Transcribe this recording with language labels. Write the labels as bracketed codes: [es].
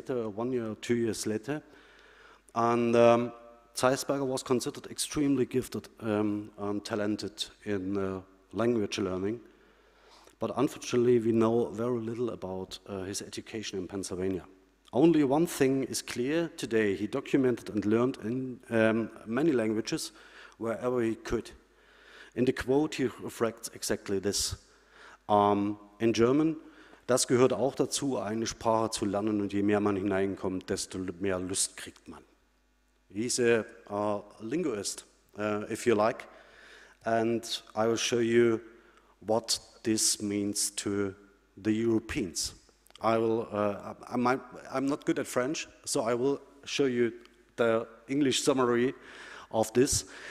[en] I think 2 years later, 1 year or 2 years later, and Zeisberger was considered extremely gifted and talented in language learning, but unfortunately we know very little about his education in Pennsylvania. Only one thing is clear today: he documented and learned in many languages wherever he could. In the quote he reflects exactly this. In German, [de] das gehört auch dazu, eine Sprache zu lernen, und je mehr man hineinkommt, desto mehr Lust kriegt man. [en] He's a linguist, if you like, and I will show you what this means to the Europeans. I'm not good at French, so I will show you the English summary of this.